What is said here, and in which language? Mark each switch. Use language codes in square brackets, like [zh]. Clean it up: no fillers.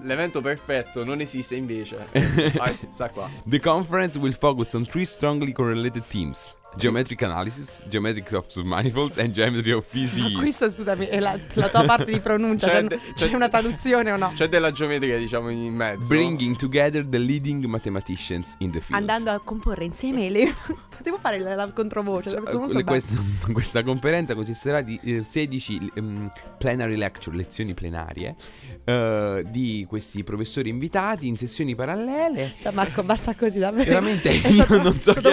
[it] L'evento perfetto non esiste invece. Sta qua. [en] The conference will focus on three strongly correlated themes: geometric analysis, geometrics of submanifolds and geometry of PDE. [it] Ma questo, scusami, è la tua parte di pronuncia. C'è una traduzione o no? C'è della geometria, diciamo, in mezzo. [en] Bringing together the leading mathematicians in the field. [it] Andando a comporre insieme le... Potevo fare la controvoce, questa conferenza consisterà di 16 plenary lecture, lezioni plenarie, di questi professori invitati in sessioni parallele. Cioè, Marco, basta così davvero. Veramente, è stato